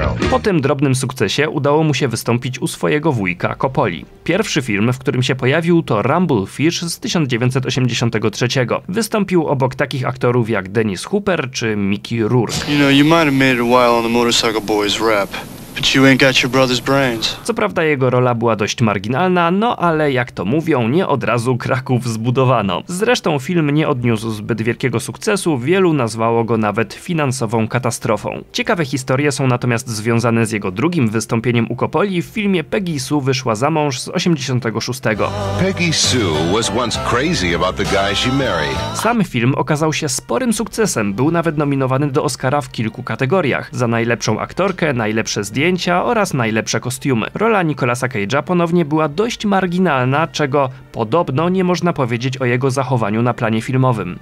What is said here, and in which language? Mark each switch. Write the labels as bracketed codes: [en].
[pl] Po tym drobnym sukcesie udało mu się wystąpić u swojego wujka Coppoli. Pierwszy film, w którym się pojawił, to Rumble Fish z 1983. Wystąpił obok takich aktorów jak Dennis Hooper czy Mickey Rourke. [en] You know, you might have made a while on the Motorcycle Boys rap. You ain't got your brother's brains. [pl] Co prawda jego rola była dość marginalna, no ale jak to mówią, nie od razu Kraków zbudowano. Zresztą film nie odniósł zbyt wielkiego sukcesu, wielu nazwało go nawet finansową katastrofą. Ciekawe historie są natomiast związane z jego drugim wystąpieniem u Coppoli w filmie Peggy Sue wyszła za mąż z 1986. [en] Peggy Sue was once crazy about the guy she married. [pl] Sam film okazał się sporym sukcesem, był nawet nominowany do Oscara w kilku kategoriach. Za najlepszą aktorkę, najlepsze zdjęcia, zdjęcia oraz najlepsze kostiumy. Rola Nicolasa Cage'a ponownie była dość marginalna, czego podobno nie można powiedzieć o jego zachowaniu na planie filmowym.